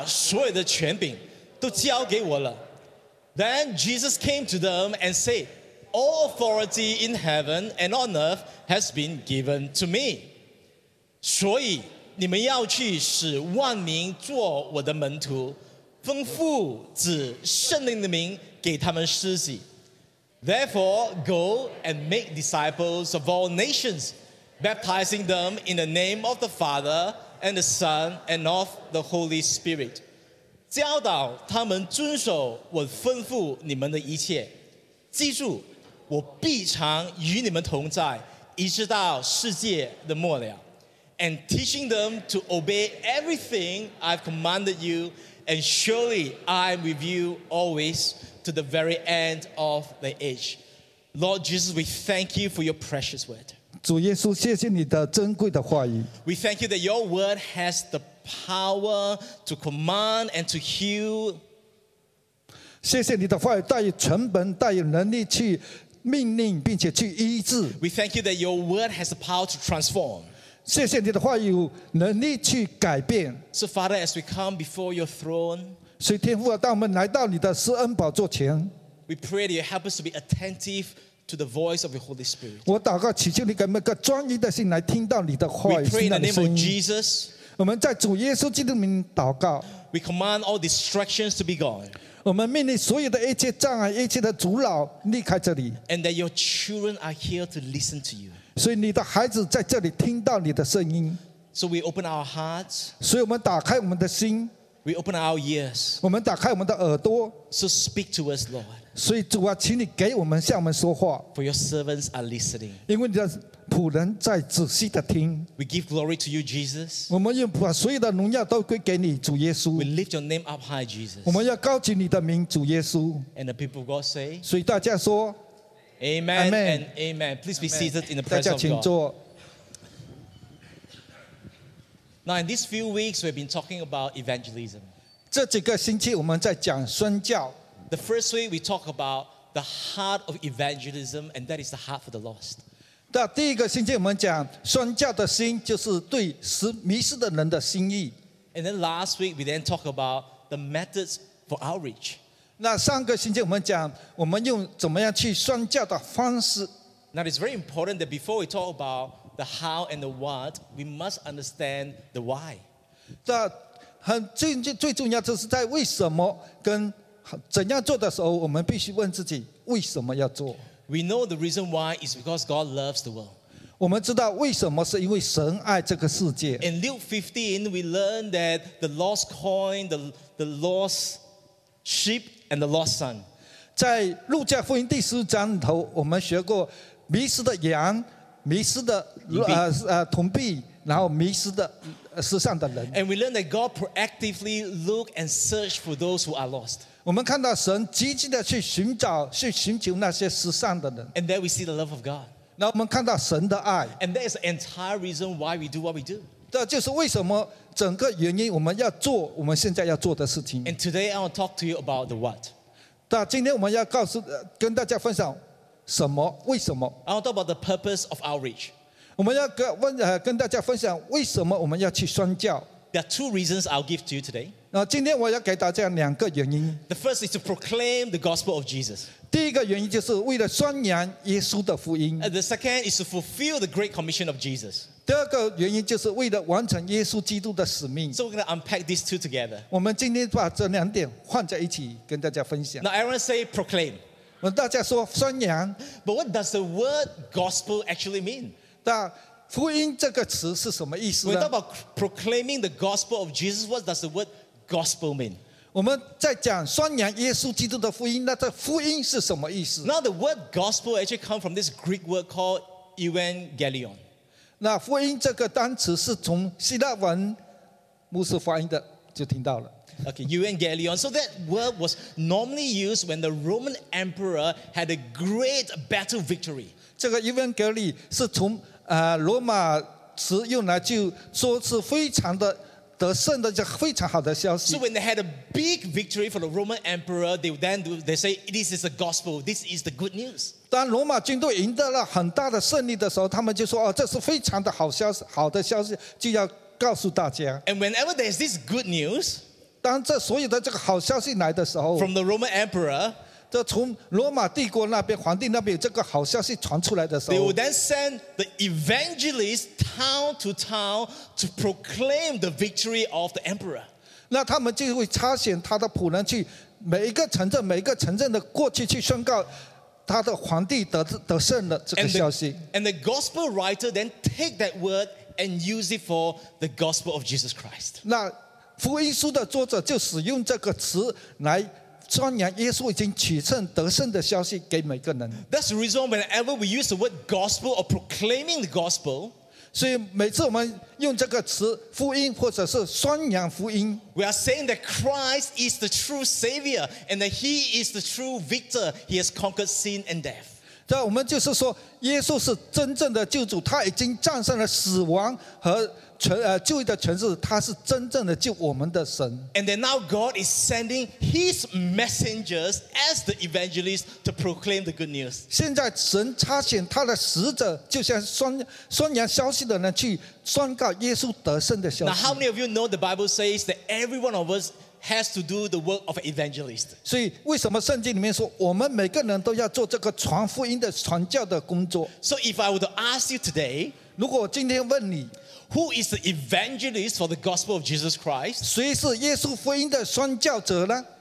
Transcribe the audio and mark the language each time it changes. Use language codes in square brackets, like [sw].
[zh] 所有的权柄都交给我了。 [en] Then Jesus came to them and said, All authority in heaven and on earth has been given to me. [zh] 所以你们要去使万民做我的门徒，奉父子圣灵的名给他们施洗。 [en] Therefore, go and make disciples of all nations, baptizing them in the name of the Father and the Son and of the Holy Spirit, [zh] 教导他们遵守我吩咐你们的一切。记住，我必常与你们同在，一直到世界的末了。 [en] And teaching them to obey everything I've commanded you, and surely I'm with you always to the very end of the age. Lord Jesus, we thank you for your precious word. [zh] 主耶稣，谢谢你的珍贵的话语。 [en] We thank you that your word has the power to command and to heal. [zh] 谢谢你的话语带有成本，带有能力去命令并且去医治。 [en] We thank you that your word has the power to transform. [zh] 谢谢你的话语能力去改变。 [en] So Father, as we come before your throne, [zh] 所以天父啊，当我们来到你的施恩宝座前， [en] We pray that you help us to be attentive to the voice of your Holy Spirit. [zh] 我祷告祈求你给我们一个专一的心来听到你的话语。 [en] We pray in the name of Jesus. [zh] 我们在主耶稣基督的名祷告。 [en] We command all distractions to be gone. [zh] 我们命令所有的一切障碍、一切的阻挠离开这里。 [en] And that your children are here to listen to you. [zh] 所以你的孩子在这里听到你的声音。 [en] So we open our hearts. [zh] 所以我们打开我们的心。 [en] We open our ears. [zh] 我们打开我们的耳朵。 [en] So speak to us, Lord. [zh] 所以主啊，请你给我们向我们说话。 [en] For your servants are listening. [zh] 因为你的仆人在仔细的听。 [en] We give glory to you, Jesus. [zh] 我们愿把所有的荣耀都归给你，主耶稣。 [en] We lift your name up high, Jesus. [zh] 我们要高举你的名，主耶稣。 [en] And the people of God say. [zh] 所以大家说 [en] ，Amen, Amen and Amen. Please be seated in the presence of God. [zh] 大家请坐。 [en] Now, in these few weeks, we've been talking about evangelism. [zh] 这几个星期我们在讲宣教。 [en] The first week, we talk about the heart of evangelism, and that is the heart for the lost. [zh] 那第一个星期我们讲宣教的心，就是对迷失的人的心意。 [en] And then last week, we then talk about the methods for outreach. [zh] 那上个星期我们讲，我们用怎么样去宣教的方式。 [en] Now, it's very important that before we talk about the how and the what, we must understand the why. [zh] 这很最重要，就是在为什么跟怎样做的时候，我们必须问自己为什么要做。 [en] We know the reason why is because God loves the world. [zh] 我们知道为什么，是因为神爱这个世界。 [en] In Luke 15, we learn that the lost coin, the lost sheep, and the lost son. [zh] 在路加福音第十章里头，我们学过迷失的羊。迷失的铜币，然后迷失的世上的人。 [en] And we learn that God proactively look and search for those who are lost. [zh] 我们看到神积极的去寻找、去寻求那些世上的人。 [en] And there we see the love of God. [zh] 那我们看到神的爱。 [en] And that is the entire reason why we do what we do. [zh] 这就是为什么整个原因我们要做我们现在要做的事情。 [en] And today I want to talk to you about the what. [zh] 那今天我们要告诉、跟大家分享。什么？为什么？ [en] I want to talk about the purpose of outreach. [zh] 我们要跟大家分享为什么我们要去宣教。 [en] There are two reasons I'll give to you today. [zh] 今天我要给大家两个原因。 [en] The first is to proclaim the gospel of Jesus. [zh] 第一个原因就是为了宣扬耶稣的福音。 [en] And the second is to fulfill the great commission of Jesus. [zh] 第二个原因就是为了完成耶稣基督的使命。 [en] So we're going to unpack these two together. [zh] 我们今天把这两点放在一起跟大家分享。 [en] Now everyone say proclaim. [zh] 大家说宣扬。 [en] But what does the word gospel actually mean? [zh] 但福音这个词是什么意思呢？ [en] We're talking about proclaiming the gospel of Jesus. What does the word gospel mean? [zh] 我们在讲宣扬耶稣基督的福音，那这福音是什么意思？ [en] Now the word gospel actually comes from this Greek word called evangelion. [zh] 那福音这个单词是从希腊文牧师发音的，就听到了。 [en] Okay, Evangelion. So that word was normally used when the Roman Emperor had a great battle victory. [zh] 这个 Evangelion 是从罗马词用来就说是非常的得胜的，就非常好的消息。 [en] So when they had a big victory for the Roman Emperor, they say this is the gospel. This is the good news. [zh] 当罗马军队赢得了很大的胜利的时候，他们就说哦，这是非常的好消息，好的消息就要告诉大家。 [en] And whenever there's this good news. [zh] 当这所有的这个好消息来的时候 [en] ，from the Roman Emperor， [zh] 这从罗马帝国那边皇帝那边有这个好消息传出来的时候 [en] ，they would then send the evangelists town to town to proclaim the victory of the emperor。 [zh] 那他们就会差遣他的仆人去每一个城镇、每一个城镇的过去去宣告。他的皇帝 得胜了这个消息 [en] and the gospel writer then take that word and use it for the gospel of Jesus Christ. [zh] 那福音书的作者就使用这个词来传扬耶稣已经取胜得胜的消息给每个人。 [en] That's the reason whenever we use the word gospel or proclaiming the gospel, [zh] 所以每次我们用这个词福音或者是传扬福音 [en] we are saying that Christ is the true Savior and that He is the true Victor. He has conquered sin and death. [zh] 对，我们就是说耶稣是真正的救主，他已经战胜了死亡和旧的权势，他是真正的救我们的神。 [en] And then now God is sending His messengers as the evangelists to proclaim the good news. [zh] 现在神差遣他的使者，就像宣扬消息的人去宣告耶稣得胜的消息。 [en] Now how many of you know the Bible says that every one of us has to do the work of an evangelist? [zh] 所以为什么圣经里面说我们每个人都要做这个传福音的传教的工作 [en] ？So if I were to ask you today, [zh] 如果我今天问你。 [en] Who is the evangelist for the gospel of Jesus Christ? [zh] 谁是耶稣福音的宣教者呢？